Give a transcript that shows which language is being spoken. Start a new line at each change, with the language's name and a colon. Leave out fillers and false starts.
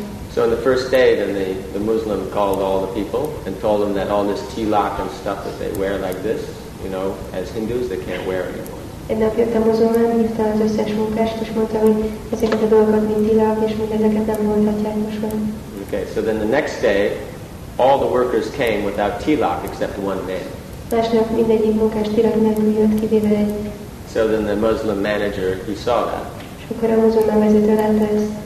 English: So on the first day then the Muslim called all the people and told them that all this tilak and stuff that they wear like this, you know, as Hindus they can't wear anymore.
Hungarian: Egy nap jött a muzulmán, hívta az összes munkást, és mondta, hogy ezeket a dolgokat mind tilak, és még ezeket nem mondhatják most már.
English: Okay, so then the next day, all the workers came without tilak, except one man.
Hungarian: Másnap mindegyik munkás tilak nélkül jött, kivéve egy.
English: So then the Muslim manager, he saw that.
Hungarian: És akkor a muzulmán vezető látta ezt.